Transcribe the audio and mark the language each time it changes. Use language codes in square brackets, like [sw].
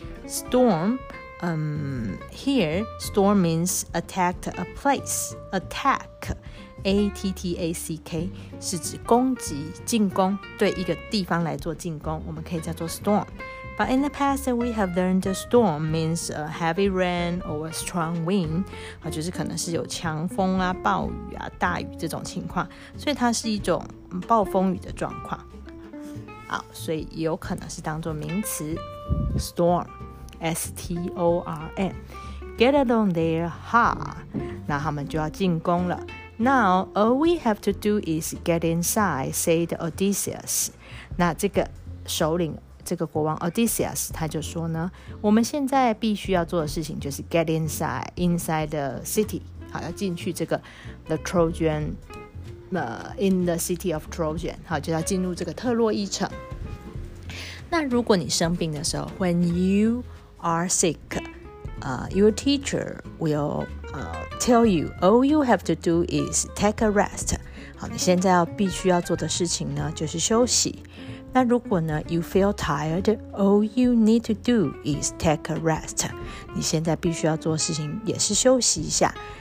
[en] Storm,here, storm means attacked a place. [zh] Attack, A-T-T-A-C-K, 是指攻击、进攻，对一个地方来做进攻，我们可以叫做 storm. [en] But in the past, we have learned storm means a heavy rain or a strong wind. [zh] 就是可能是有强风啊、暴雨啊、大雨这种情况，所以它是一种暴风雨的状况。好，所以也有可能是当作名词 storm. [en] S-T-O-R-M Get along there, ha! [zh] 那他们就要进攻了 [en] Now, all we have to do is get inside, said Odysseus [zh] 那这个首领这个国王 Odysseus 他就说呢我们现在必须要做的事情就是 [en] get inside the city [zh] 好要进去这个 [en] the Trojan in the city of Trojan [zh] 好就要进入这个特洛伊城那如果你生病的时候 [en] when youare sick, your teacher will tell you all you have to do is take a rest. [zh] 好，你现在要必须要做的事情呢，就是休息。那如果呢 [en] ，you feel tired, all you need to do is take a rest. [zh] 你现在必须要做的事情也是休息一下。